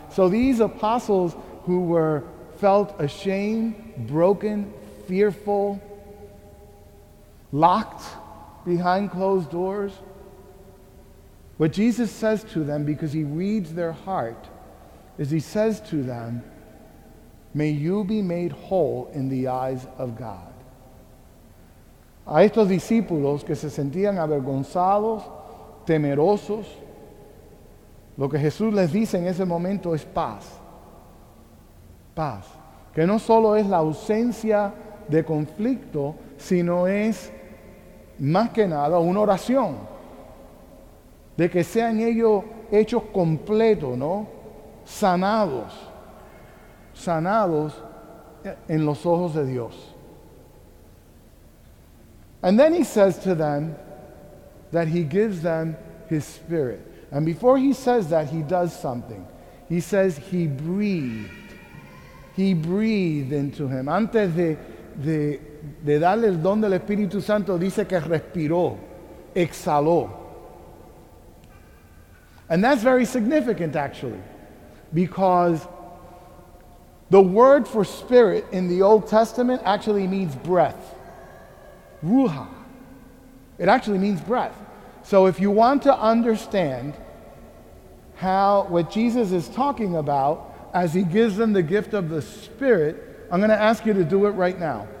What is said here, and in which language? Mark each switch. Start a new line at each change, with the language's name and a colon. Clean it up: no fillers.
English: So these apostles who were felt ashamed, broken, fearful, locked behind closed doors, what Jesus says to them, because he reads their heart, is he says to them, may you be made whole in the eyes of God.
Spanish: A estos discípulos que se sentían avergonzados, temerosos, lo que Jesús les dice en ese momento es paz. Paz. Que no solo es la ausencia de conflicto, sino es, más que nada, una oración. De que sean ellos hechos completos, ¿no? Sanados. Sanados en los ojos de Dios.
English: And then he says to them that he gives them his spirit. And before he says that, he does something. He says he breathed. He breathed into him.
Spanish: Antes de darle el don del Espíritu Santo, dice que respiró, exhaló.
English: And that's very significant, actually, because the word for spirit in the Old Testament actually means breath. Ruha. It actually means breath. So if you want to understand how what Jesus is talking about as he gives them the gift of the Spirit, I'm going to ask you to do it right now.